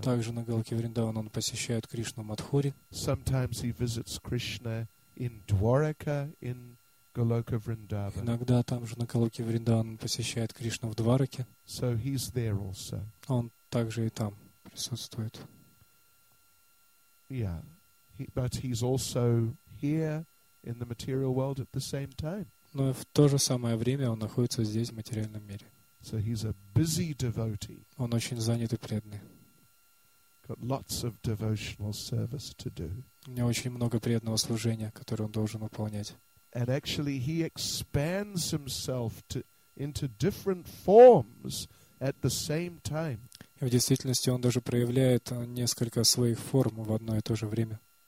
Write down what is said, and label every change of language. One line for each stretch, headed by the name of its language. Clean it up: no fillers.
Russian: Также на Голоке Вриндаван он посещает Кришну в Матхуре.
English: Sometimes he visits Krishna in Dwarka in Goloka Vrindavan.
Russian: Иногда там же на Голоке Вриндаван он посещает Кришну в Двараке.
English: So he's there also.
Russian: Он также и там присутствует.
English: Yeah, but he's also here in the material world at the same time.
Russian: Но в то же самое время он находится здесь, в материальном мире.
English: So he's a busy devotee.
Russian: Он очень занят и преданный.
English: Got lots of devotional service to do.
Russian: У него очень много преданного служения, которое он должен выполнять.
English: And actually he expands himself into different forms at the same time.
Russian: И в действительности он даже проявляет несколько своих форм в одно и то же время.